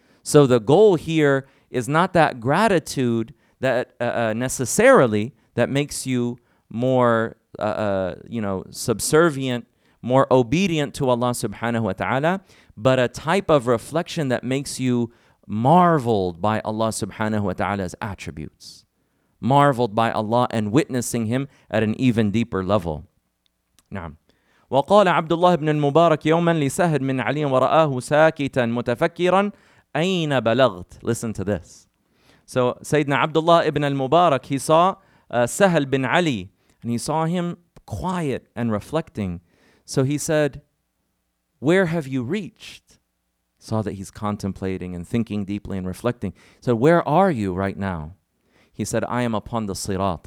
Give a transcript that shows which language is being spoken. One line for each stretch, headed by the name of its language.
English: So the goal here is not that gratitude that necessarily that makes you more subservient, more obedient to Allah subhanahu wa ta'ala, but a type of reflection that makes you marveled by Allah subhanahu wa ta'ala's attributes, marveled by Allah and witnessing Him at an even deeper level.
Arabic: نعم. وقال عبد الله بن المبارك يوما لسهد من علي ورآه ساكتا متفكرا أين بلغت.
English: Listen to this. So Sayyidina Abdullah ibn al-Mubarak, he saw Sahal bin Ali, and he saw him quiet and reflecting. So he said, where have you reached? Saw that he's contemplating and thinking deeply and reflecting. So where are you right now? He said, I am upon the sirat.